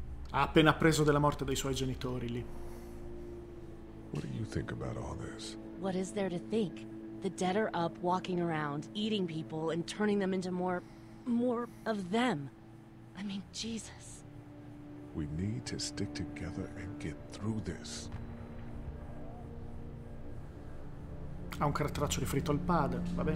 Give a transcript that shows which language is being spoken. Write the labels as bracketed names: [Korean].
[Italian] Ha appena appreso della morte dei suoi genitori lì. [English] What do you think about all this? What is there to think? The dead are up, walking around, eating people, and turning them into more of them. I mean, Jesus. We need to stick together and get through this. [Italian] Ha un carattraccio riferito al padre, va bene?